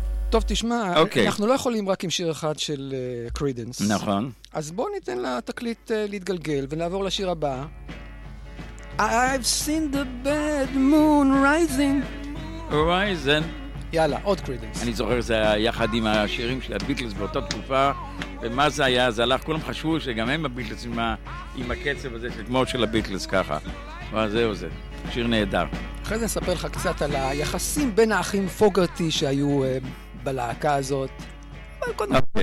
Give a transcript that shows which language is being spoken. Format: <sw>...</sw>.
<he>טוב, תשמע, okay. אנחנו לא יכולים רק עם שיר אחד של קרידנס. נכון. אז בוא ניתן לתקליט להתגלגל ונעבור לשיר הבא.</he> <en>I've seen the bad moon rising. Horizon.</en> <he>יאללה, עוד קרידנס. אני זוכר זה היה יחד עם השירים של הביטלס באותה תקופה, ומה זה היה, זה הלך, כולם חשבו שגם הם הביטלס עם, עם הקצב הזה, כמו של הביטלס ככה. וזהו זה, שיר נהדר. אחרי זה נספר לך קצת על היחסים בין האחים פוגרטי שהיו בלהקה הזאת. אבל קודם כל okay.</he>